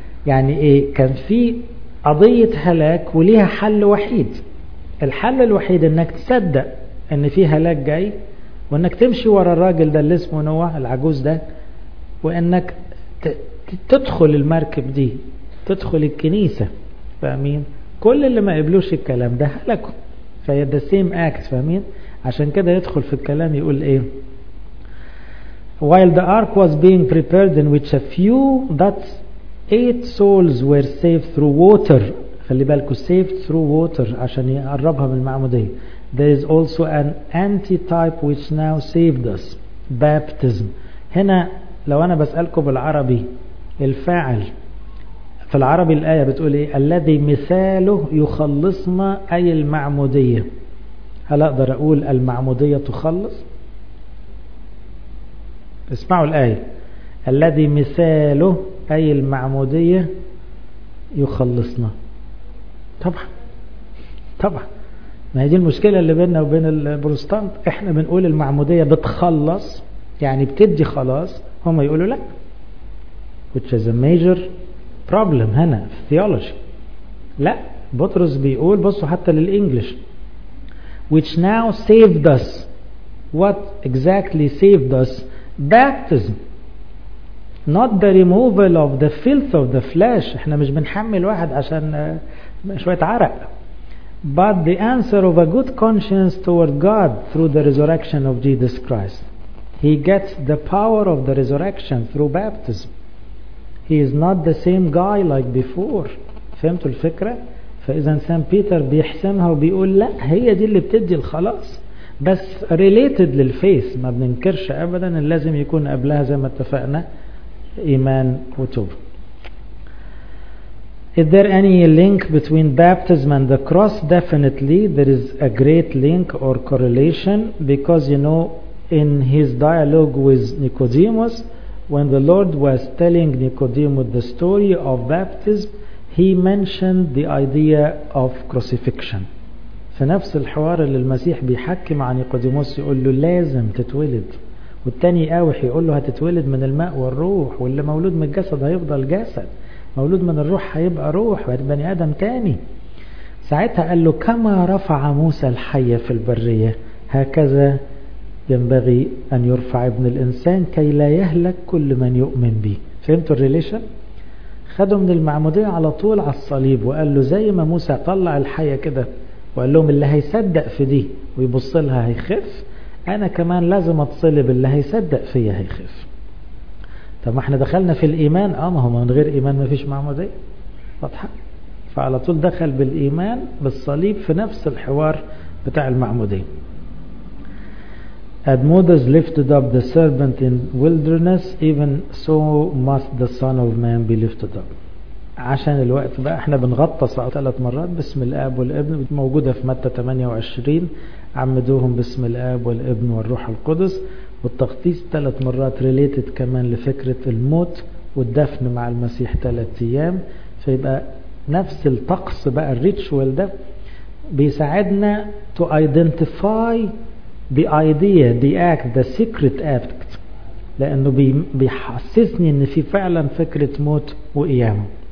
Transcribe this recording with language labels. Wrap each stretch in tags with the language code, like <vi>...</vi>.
<ar>يعني ايه؟ كان في قضيه هلاك وليها حل وحيد. الحل الوحيد انك تصدق ان في هلاك جاي، وانك تمشي ورا الراجل ده اللي اسمه نوح العجوز ده، وانك تدخل المركب دي، تدخل الكنيسه. فاهمين؟ كل اللي ما قبلوش الكلام ده هلكوا.</ar> <en>فهي the same act.</en> <ar>فاهمين؟ عشان كده يدخل في الكلام يقول ايه.</ar> <en>While the ark was being prepared in which a few that 8 souls were saved through water.</en> <ar>خلي بالكوا</ar> <en>saved through water</en> <ar>عشان يقربها من المعمودية.</ar> <en>There is also an anti-type which now saved us. Baptism.</en> <ar>هنا لو انا بسألكوا بالعربي الفاعل في العربي الآية بتقول إيه؟ الذي مثاله يخلصنا أي المعمودية. هل أقدر أقول المعمودية تخلص؟ اسمعوا الآية. الذي مثاله أي المعمودية يخلصنا. طبعا طبعا. ما هي دي المشكلة اللي بيننا وبين البروتستانت. إحنا بنقول المعمودية بتخلص يعني بتدي خلاص، هم يقولوا لا.</ar> <en>Which is a major problem</en> <ar>هنا في</ar> <en>theology.</en> <ar>لا، بطرس بيقول، بصوا حتى للإنجليش،</ar> <en>which now saved us. What exactly saved us? Baptism. Not the removal of the filth of the flesh.</en> <ar>احنا مش بنحمل واحد عشان شوية عرق.</ar> <en>But the answer of a good conscience toward God through the resurrection of Jesus Christ. He gets the power of the resurrection through baptism. He is not the same guy like before.</en> <ar>فهمتوا الفكرة؟ فإذا سان بيتر بيحسمها وبيقول لا، هي دي اللي بتدي الخلاص، بس related للفيث. ما بننكرش أبدا أن لازم يكون قبلها زي ما اتفقنا إيمان وتوب.</ar> <en>Is there any link between baptism and the cross? Definitely there is a great link or correlation, because you know in his dialogue with Nicodemus, when the Lord was telling Nicodemus the story of baptism, he mentioned the idea of crucifixion.</en> <ar>في نفس الحوار اللي المسيح بيحكي مع نيقوديموس يقول له لازم تتولد، والتاني قاوح يقول له هتتولد من الماء والروح، واللي مولود من الجسد هيفضل جسد، مولود من الروح هيبقى روح، بقى بني آدم تاني. ساعتها قال له كما رفع موسى الحية في البرية هكذا ينبغي أن يرفع ابن الإنسان كي لا يهلك كل من يؤمن به. فهمتوا الريليشن؟ خده من المعمودية على طول على الصليب وقال له زي ما موسى طلع الحية كده وقال لهم اللي هيصدق في دي ويبص لها هيخف، أنا كمان لازم أتصلب، اللي هيصدق فيها هيخف. طب ما احنا دخلنا في الإيمان. ما هو من غير إيمان ما فيش معمودية. واضحة؟ فعلى طول دخل بالإيمان بالصليب في نفس الحوار بتاع المعمودية.</ar> <en>Had Moses lifted up the serpent in wilderness, even so must the Son of Man be lifted up.</en> <ar>عشان الوقت بقى احنا بنغطس بقى ثلاث مرات. بسم الاب والابن موجودة في متى 28، عمدوهم بسم الاب والابن والروح القدس، والتغطيس ثلاث مرات ريليتد كمان لفكرة الموت والدفن مع المسيح ثلاث ايام. فيبقى نفس الطقس بقى الريتشوال ده بيساعدنا</ar> <en>to identify the idea, the act, the secret act،</en> <ar>لانه بيحسسني ان في فعلا فكرة موت وقيامه.</ar>